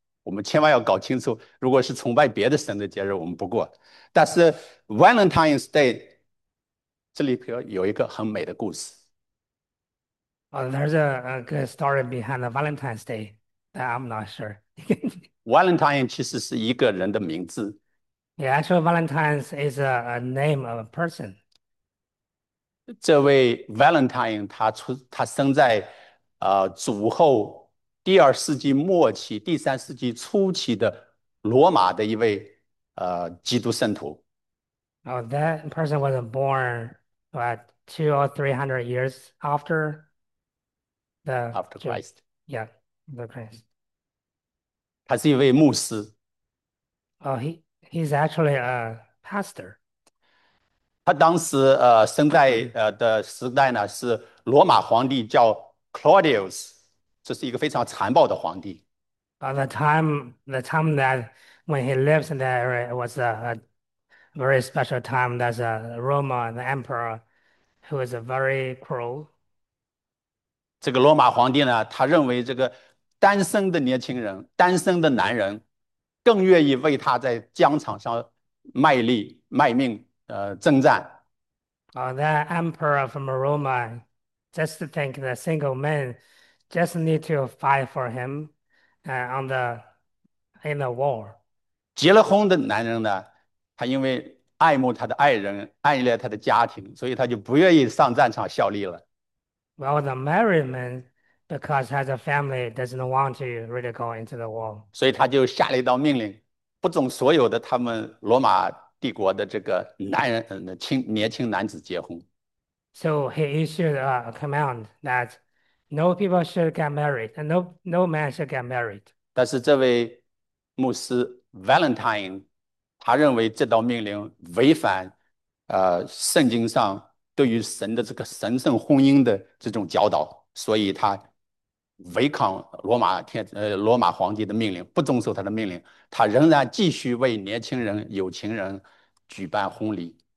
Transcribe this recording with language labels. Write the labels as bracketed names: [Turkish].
[Chinese] 我们千万要搞清楚，如果是崇拜别的神的节日，我们不过。但是 Valentine's Day 这里头有一个很美的故事。 [English] There's a good story behind the Valentine's Day that I'm not sure. [Chinese] Valentine 其实是一个人的名字。 [English] Yeah, actually, Valentine's is a name of a person. [Chinese] 这位 Valentine 他生在主后第二世纪末期、第三世纪初期的罗马的一位基督圣徒。 [English] Oh, that person wasn't born, what, 200 or 300 years after? After [Chinese] 就 [English] Christ。 yeah, the Christ. [Chinese] 他是一位牧师， [English] Oh, he's actually a pastor. [Chinese] 他当时生在的时代呢是罗马皇帝叫 Claudius，这是一个非常残暴的皇帝。 [English] At the time that when he lives in that area, it was a very special time. That's a Roman emperor who is very cruel. [Chinese] 这个罗马皇帝呢，他认为这个。单身的年轻人，单身的男人，更愿意为他在疆场上卖力、卖命，征战。 [English] That emperor from Roma just think the single man just need to fight for him on the in the war. [Chinese] 结了婚的男人呢，他因为爱慕他的爱人，爱恋他的家庭，所以他就不愿意上战场效力了。 [English] Well, the married man, because has a family, doesn't want to really go into the war. [Chinese] 所以他就下了一道命令，不准所有的他们罗马帝国的这个男人、年轻男子结婚。 [English] So he issued a command that no people should get married, and no man should get married. [Chinese] 但是这位牧师 Valentine，他认为这道命令违反圣经上对于神的这个神圣婚姻的这种教导，所以他。违抗罗马皇帝的命令，不遵守他的命令，他仍然继续为年轻人、有情人举办婚礼。